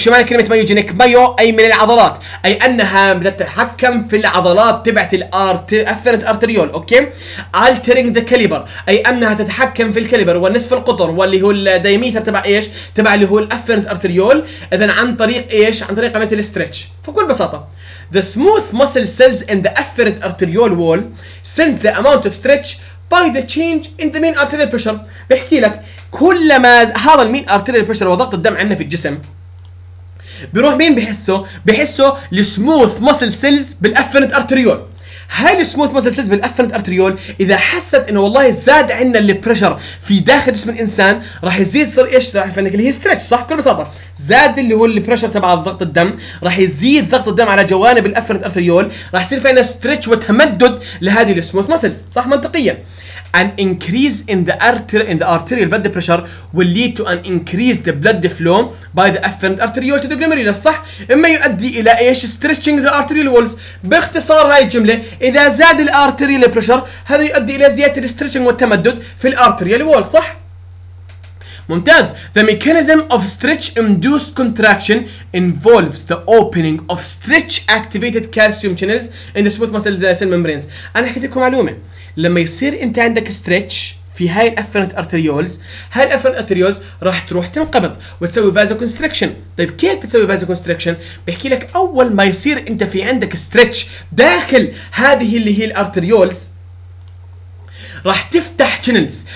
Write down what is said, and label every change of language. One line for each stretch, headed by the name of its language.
Arabic: شو معنى كلمه مايوجينيك؟ مايو اي من العضلات, اي انها بتتحكم في العضلات تبعت الافيرنت ارتريول اوكي, الترينج ذا كاليبر اي انها تتحكم في الكاليبر والنصف القطر واللي هو الدايميتر تبع ايش؟ تبع اللي هو الافيرنت ارتريول, اذا عن طريق ايش؟ عن طريق عمليه الاسترتش. فكل بساطه
English: the smooth muscle cells in the afferent arteriole wall sense the amount of stretch by the change in the mean arterial pressure.
Arabic: بحكي لك كل ما هذا المين arterial pressure وضغط الدم عندنا في الجسم بيروح مين بحسه؟ بحسه لسموث muscle cells بالأفنت أرتريول. هاي السموث muscle cells بالأفنت أرتريول إذا حست إنه والله زاد عندنا اللي pressure في داخل جسم الإنسان راح يزيد صار إيش راح فنك اللي هي stretch صح كل بساطة زاد اللي هو اللي pressure تبع ضغط الدم راح يزيد ضغط الدم على جوانب الأفنت أرتريول راح يصير فينا stretch وتمدد لهذه السموث muscles صح منطقيا.
English: An increase in the arterial blood pressure will lead to an increased blood flow by the afferent arteriole to the glomerulus.
Arabic: صح؟ إما يؤدي إلى إيش
English: stretching the arterial walls.
Arabic: باختصار هاي الجملة إذا زاد the arterial pressure هذا يؤدي إلى زيادة the stretching والتمدد في the arterial wall. صح؟ ممتاز.
English: The mechanism of stretch induced contraction involves the opening of stretch activated calcium channels in the smooth muscle cell membranes.
Arabic: أنا حكيت لكم معلومة. لما يصير انت عندك ستريتش في هاي الافرنت ارتريولز هاي الافرنت ارتريولز راح تروح تنقبض وتسوي فازو كونستريكشن. طيب كيف بتسوي فازو كونستريكشن؟ بحكي لك اول ما يصير انت في عندك ستريتش داخل هذه اللي هي الارتريولز راح تفتح تشنلز.